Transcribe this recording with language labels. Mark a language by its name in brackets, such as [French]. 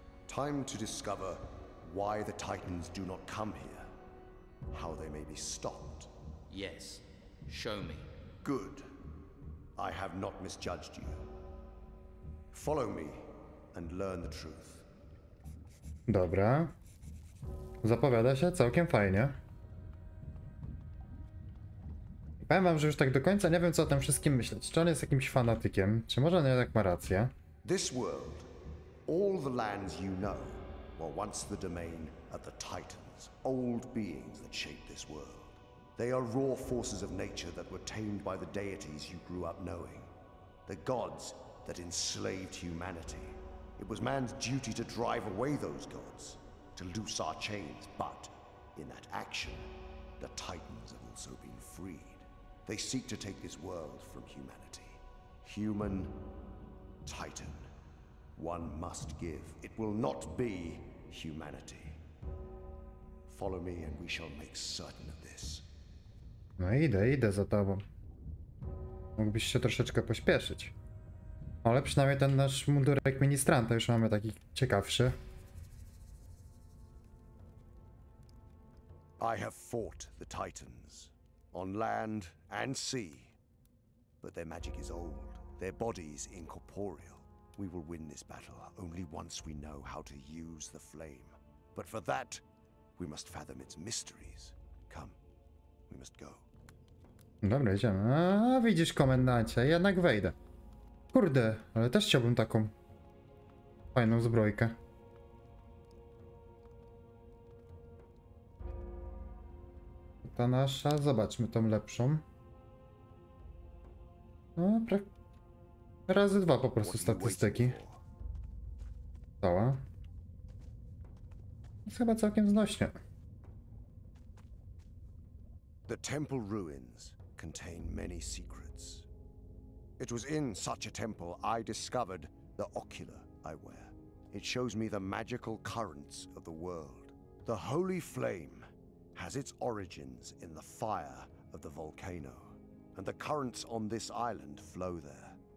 [English] Time to discover why the Titans do not come here, how they may be stopped. Yes, show me. Good. I have not misjudged you. Follow me and learn the truth. [Polish] Dobra. Zapowiada się całkiem fajnie. Powiem wam, że już tak do końca nie wiem, co o tym wszystkim myśleć. Czy on jest jakimś fanatykiem? Czy może on jednak ma rację? [English] This world, all the lands you know, were once the domain of the Titans, old beings that shaped this world. They are raw forces of nature that were tamed by the deities you grew up knowing. The gods that enslaved humanity. It was man's duty to drive away those gods, to loose our chains, but in that action, the Titans have also been free. They seek to take this world from humanity. Human, Titan. One must give. It will not be humanity. Follow me and we shall make certain of this. [Polish] No idę, idę za tobą. Mógłbyś się troszeczkę pośpieszyć. Ale przynajmniej ten nasz mundurek ministranta już mamy taki ciekawszy. [English] I have fought the Titans. On land and sea. But their magic is old, their bodies incorporeal. We will win this battle only once we know how to use the flame. But for that, we must fathom its mysteries. Come, we must go. [Polish] Dobra, idziemy. A, widzisz, komendancie, jednak wejdę. Kurde, ale też chciałbym taką fajną zbrojkę. Ta nasza, zobaczmy tą lepszą. No, razy dwa po prostu statystyki. Cała. Jest chyba całkiem znośnie. [English] The temple ruins contain many secrets. It was in such a temple I discovered the ocular I wear. It shows me the magical currents of the world. The holy flame has its origins in the fire of the volcano, and the currents on this island flow there.